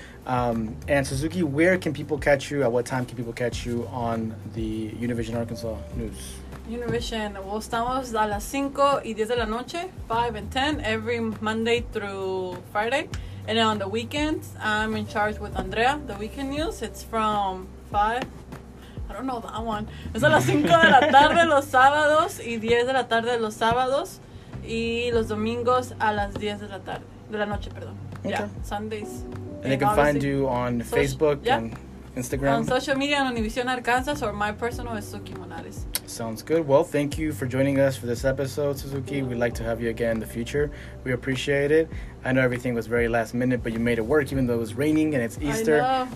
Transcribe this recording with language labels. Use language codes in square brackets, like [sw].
[en] And Zuzuky, where can people catch you? At what time can people catch you on the Univision Arkansas news? [es] Univision. Well, estamos a las 5 y 10 de la noche, [en] 5 and 10, every Monday through Friday. And then on the weekends, I'm in charge with Andrea, the weekend news. It's from 5. I don't know that one. [es] Es a las 5 de la tarde los sábados y 10 de la tarde los sábados. Y los domingos a las 10 de la tarde. De la noche, perdón. [en] Okay. Yeah, Sundays. And they can find you on Facebook and Instagram. On social media, on Univision Arkansas, or my personal is Zuzuky Monarez. Sounds good. Well, thank you for joining us for this episode, Zuzuky. We'd like to have you again in the future. We appreciate it. I know everything was very last minute, but you made it work, even though it was raining and it's Easter.